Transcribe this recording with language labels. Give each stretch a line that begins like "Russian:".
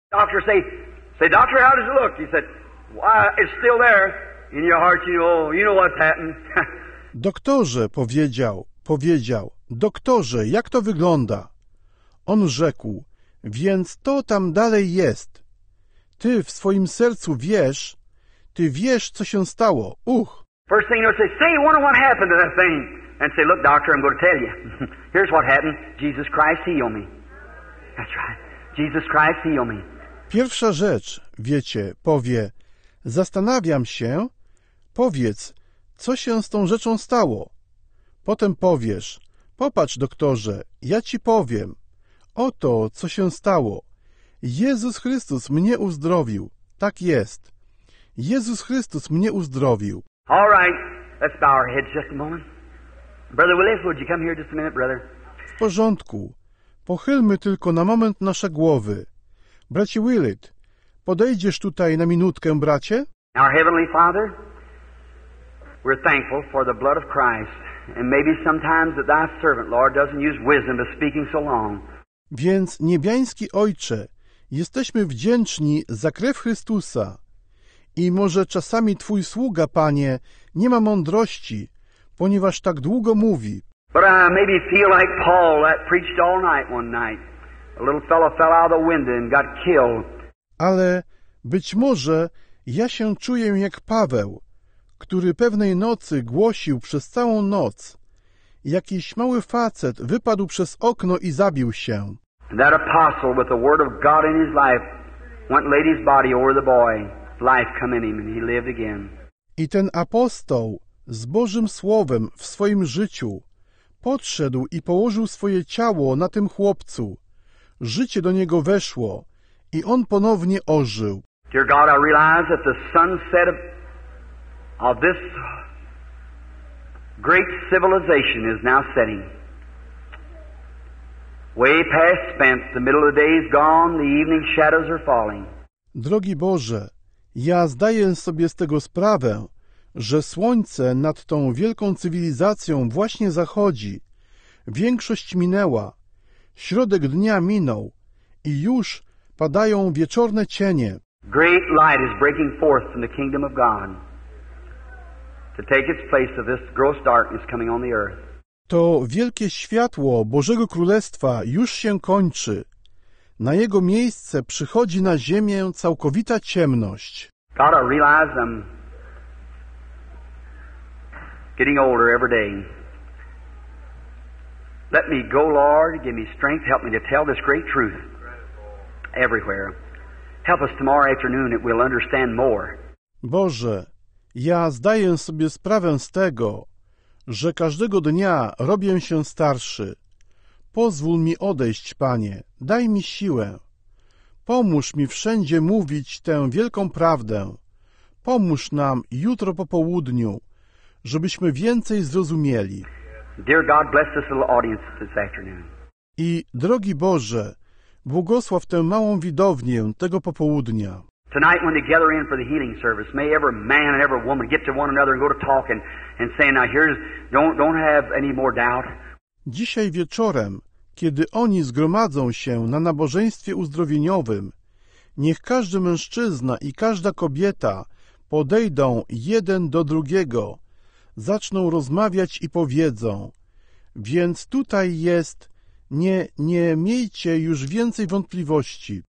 English: Doctor, say, doctor, how does it look? He said, why, it's still there. In your heart, you know what's happened.
Polish: Doktorze, powiedział, doktorze, jak to wygląda? On rzekł, więc to tam dalej jest. Ty w swoim sercu wiesz, ty wiesz, co się stało. Uch!
English: First thing you'll say, I wonder what happened to that thing. And say, look, doctor, I'm going to tell you. Here's what happened. Jesus Christ healed me. That's right. Jesus Christ healed me.
Polish: Pierwsza rzecz, wiecie, powie, zastanawiam się, powiedz, co się z tą rzeczą stało. Potem powiesz, popatrz, doktorze, ja ci powiem. Oto, co się stało. Jezus Chrystus mnie uzdrowił. Tak jest. Jezus Chrystus mnie uzdrowił.
English: All right, let's bow our heads just a moment. Brother Willis, would you come here just a minute, brother?
Polish: W porządku. Pochylmy tylko na moment nasze głowy. Bracie Willett, podejdziesz tutaj na minutkę, bracie?
English: Our Heavenly Father, we're thankful for the blood of Christ, and maybe sometimes that thy servant, Lord, doesn't use wisdom but speaking so long.
Polish: Więc, niebiański Ojcze, jesteśmy wdzięczni za krew Chrystusa. I może czasami Twój sługa, Panie, nie ma mądrości, ponieważ tak długo mówi.
English: But I maybe feel like Paul that preached all night one night. A little fellow fell out of the window and got killed.
Polish: Ale być może ja się czuję jak Paweł, który pewnej nocy głosił przez całą noc. Jakiś mały facet wypadł przez okno i zabił się.
English: That apostle with the word of God in his life went laid his body over the boy. Life come in him and he lived again.
Polish: I ten apostoł z Bożym Słowem w swoim życiu podszedł i położył swoje ciało na tym chłopcu. Życie do niego weszło i on ponownie ożył.
English: Dear God, I realize that the sunset of this great civilization is now setting. Way past spent, the middle of the day is gone, the evening shadows are falling.
Polish: Drogi Boże, ja zdaję sobie z tego sprawę, że słońce nad tą wielką cywilizacją właśnie zachodzi. Większość minęła. Środek dnia minął i już padają wieczorne cienie.
English: Great light is breaking forth from the kingdom of God to take its place of this gross darkness coming on the earth.
Polish: To wielkie światło Bożego Królestwa już się kończy. Na jego miejsce przychodzi na ziemię całkowita ciemność.
English: God, I realize I'm getting older every day. Let me go, Lord. Give me strength. Help me to tell this great truth everywhere. Help us tomorrow afternoon that we'll understand more.
Polish: Boże, ja zdaję sobie sprawę z tego, że każdego dnia robię się starszy. Pozwól mi odejść, Panie. Daj mi siłę. Pomóż mi wszędzie mówić tę wielką prawdę. Pomóż nam jutro po południu, żebyśmy więcej zrozumieli.
English: Dear God, bless this little audience this afternoon.
Polish: I drogi Boże, błogosław tę małą widownię tego popołudnia.
English: Tonight when they gather in for the healing service, may every man and every woman get to one another and go to talk and say, now here's, don't have any more doubt.
Polish: Dzisiaj wieczorem, kiedy oni zgromadzą się na nabożeństwie uzdrowieniowym, niech każdy mężczyzna i każda kobieta podejdą jeden do drugiego, zaczną rozmawiać i powiedzą, więc tutaj jest, nie miejcie już więcej wątpliwości.